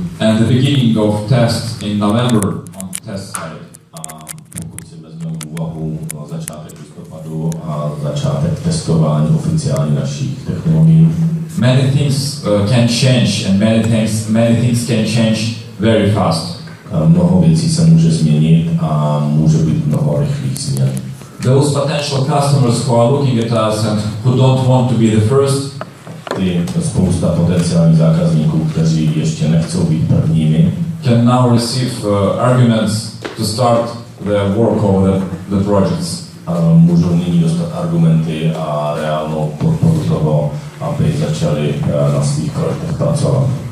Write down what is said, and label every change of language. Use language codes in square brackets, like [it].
[en] And the beginning of tests in November on the test site. [cs] A pokud si vezmeme v úvahu začátek listopadu a začátek testování oficiálně našich technologií. [en] Many things can change and many things can change very fast. [cs] Mnoho věcí se může změnit a může být mnoho rychlých změn. [en] Those potential customers who are looking at us and who don't want to be the first, [cs] ty spousta potenciálních zákazníků, kteří ještě nechcou být prvními, [en] can now receive arguments to start the work of the projects. [cs] Můžou nyní dostat argumenty a reálnou podporu toho, aby začali na svých projektech pracovat.